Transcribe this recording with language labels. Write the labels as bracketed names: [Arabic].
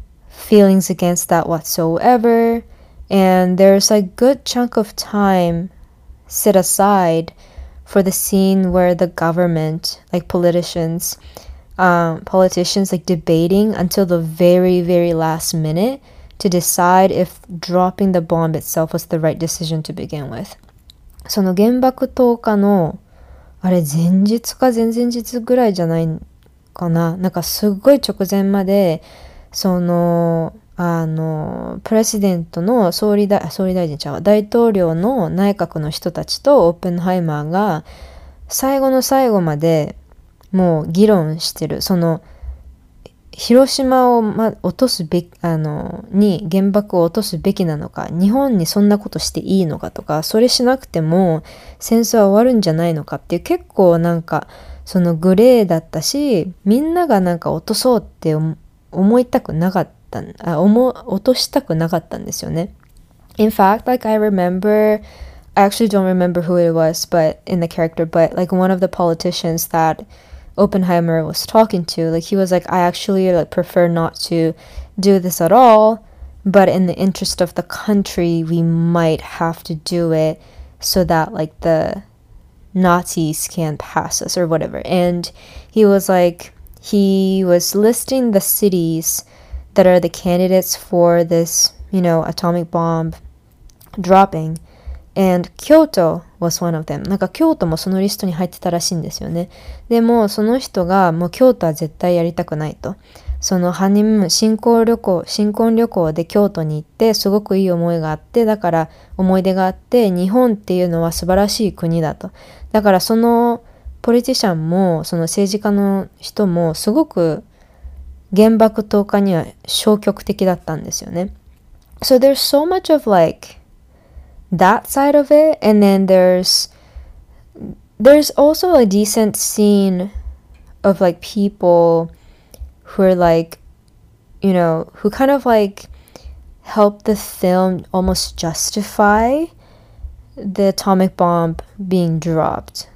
[English] feelings against that whatsoever and there's a good chunk of time set asideFor the scene where the government, like politicians, politicians like debating until the very, very last minute to decide if dropping the bomb itself was the right decision to begin with. [Japanese] その原爆投下のあれ前日か前々日ぐらいじゃないかな。なんかすごい直前までそのあのプレシデントの総理大臣ちゃう大統領の内閣の人たちとオープンハイマーが最後の最後までもう議論してるその広島を、ま、落とすべきあのに原爆を落とすべきなのか日本にそんなことしていいのかとかそれしなくても戦争は終わるんじゃないのかっていう結構なんかそのグレーだったしみんながなんか落とそうって思いたくなかった落としたくなかったんですよね。 [English] In fact, like I remember, I actually don't remember who it was, but in the character, but like one of the politicians that Oppenheimer was talking to, like he was like, I actually like prefer not to do this at all, but in the interest of the country, we might have to do it so that like the Nazis can't pass us or whatever. And he was like, he was listing the cities. That are the candidates for this, you know, atomic bomb dropping. And Kyoto was one of them. [Japanese] なんか京都もそのリストに入ってたらしいんですよね。でもその人がもう京都は絶対やりたくないと。そのハニムーン、新婚旅行で京都に行ってすごくいい思いがあって、だから思い出があって、日本っていうのは素晴らしい国だと。だからそのポリティシャンもその政治家の人もすごく原爆投下には消極的だったんですよね。 [English] So there's so much of like that side of it, and then there's also a decent scene of like people who are like, you know, who kind of like help the film almost justify the atomic bomb being dropped.